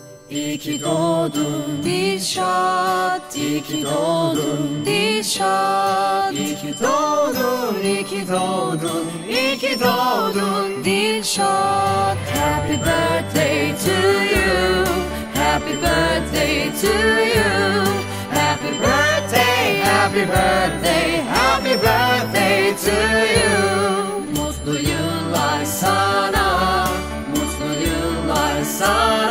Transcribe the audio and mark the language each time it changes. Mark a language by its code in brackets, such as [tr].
[tr] İki doğdun Dilşat, iki doğdun Dilşat, iki doğdun, iki doğdun, iki doğdun Dilşat. [en] Happy birthday to you, happy birthday to you, happy birthday, happy birthday, happy birthday to you. [tr] Mutlu yıllar sana, mutlu yıllar sana.